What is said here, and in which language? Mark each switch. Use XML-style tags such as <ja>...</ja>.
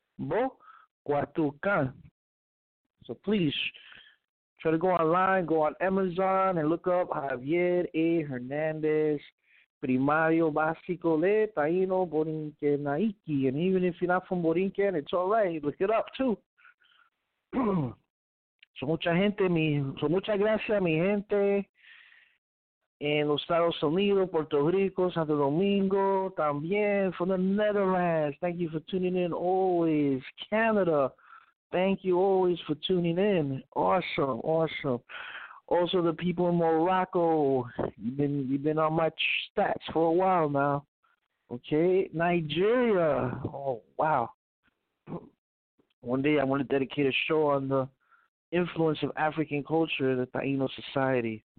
<en>Bo Kwatukan. So please try to go online, go on Amazon and look up Javier A. Hernandez.</en> <es>Primario Básico Le Taino Borinque Naiki.</es> <en>And even if you're not from Borinque, it's all right. Look it up, too.</en> <es>So, mucha gente, so, muchas gracias, mi gente. En los Estados Unidos, Puerto Rico, Santo Domingo, también.</es> <en>From the Netherlands, thank you for tuning in always. Canada, thank you always for tuning in. Awesome, awesome. Also, the people in Morocco, you've been on my stats for a while now. Okay, Nigeria. Oh, wow. One day I want to dedicate a show on the influence of African culture in the Taino society.</en>